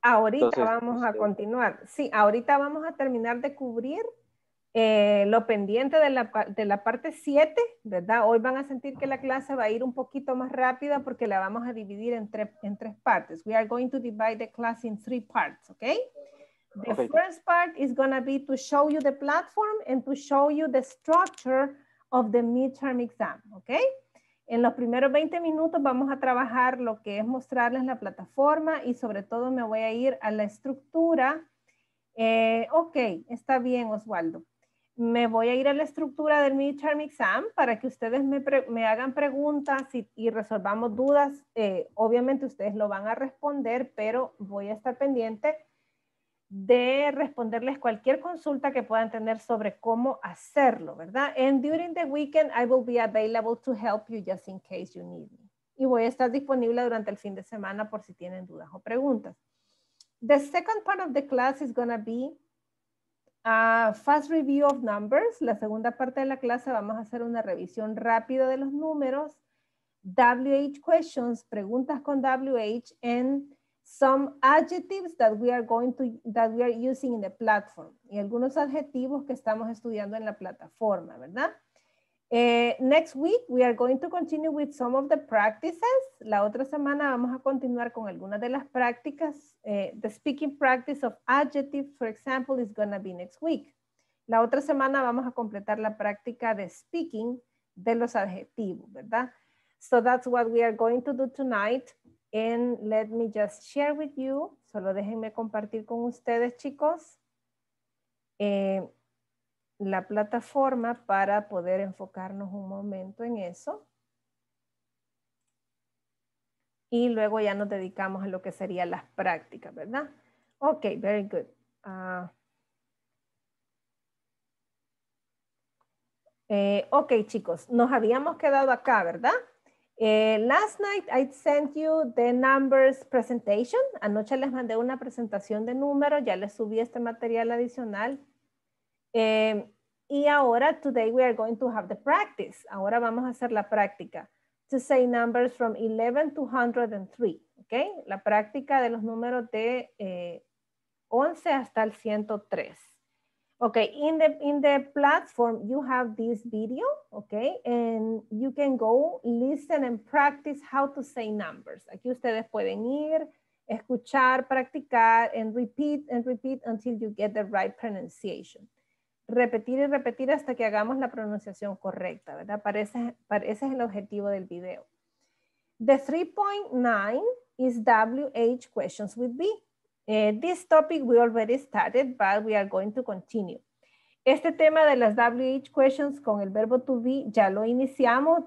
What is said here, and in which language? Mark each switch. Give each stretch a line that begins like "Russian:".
Spanish: Ahorita entonces, vamos a continuar. Sí, ahorita vamos a terminar de cubrir lo pendiente de la parte 7, ¿verdad? Hoy van a sentir que la clase va a ir un poquito más rápida porque la vamos a dividir en tres partes.
English: We are going to divide the class in three parts, ¿ok? The okay. First part is going to be to show you the platform and to show you the structure of the midterm exam, ¿ok?
Spanish: En los primeros 20 minutos vamos a trabajar lo que es mostrarles la plataforma y sobre todo me voy a ir a la estructura. Ok, está bien, Oswaldo. Me voy a ir a la estructura del midterm exam para que ustedes me hagan preguntas y resolvamos dudas. Obviamente ustedes lo van a responder, pero voy a estar pendiente de responderles cualquier consulta que puedan tener sobre cómo hacerlo, ¿verdad?
English: And during the weekend, I will be available to help you just in case you need me.
Spanish: Y voy a estar disponible durante el fin de semana por si tienen dudas o preguntas.
English: The second part of the class is going to be a fast review of numbers.
Spanish: La segunda parte de la clase vamos a hacer una revisión rápida de los números.
English: WH questions,
Spanish: preguntas con WH,
English: and some adjectives that we are going to, that we are using in the platform.
Spanish: Y algunos adjetivos que estamos estudiando en la plataforma, ¿verdad?
English: Next week, we are going to continue with some of the practices.
Spanish: La otra semana vamos a continuar con algunas de las prácticas.
English: The speaking practice of adjectives, for example, is going to be next week.
Spanish: La otra semana vamos a completar la práctica de speaking de los adjetivos, ¿verdad?
English: So that's what we are going to do tonight. And let me just share with you,
Spanish: solo déjenme compartir con ustedes, chicos, la plataforma para poder enfocarnos un momento en eso. Y luego ya nos dedicamos a lo que serían las prácticas, ¿verdad?
English: Ok, very good. Ok,
Spanish: chicos, nos habíamos quedado acá, ¿verdad?
English: Last night I sent you the numbers presentation.
Spanish: Anoche les mandé una presentación de números. Ya les subí este material adicional. Y ahora,
English: today we are going to have the practice.
Spanish: Ahora vamos a hacer la práctica.
English: To say numbers from 11 to 103. Okay?
Spanish: La práctica de los números de 11 hasta el 103.
English: Okay, in the platform, you have this video, okay? And you can go listen and practice how to say numbers.
Spanish: Aquí ustedes pueden ir, escuchar, practicar,
English: and repeat until you get the right pronunciation.
Spanish: Repetir y repetir hasta que hagamos la pronunciación correcta, ¿verdad? Ese es el objetivo del video.
English: The 3.9 is WH questions with B. This topic we already started, but we are going to continue.
Spanish: Este tema de las WH questions con el verbo to be ya lo iniciamos.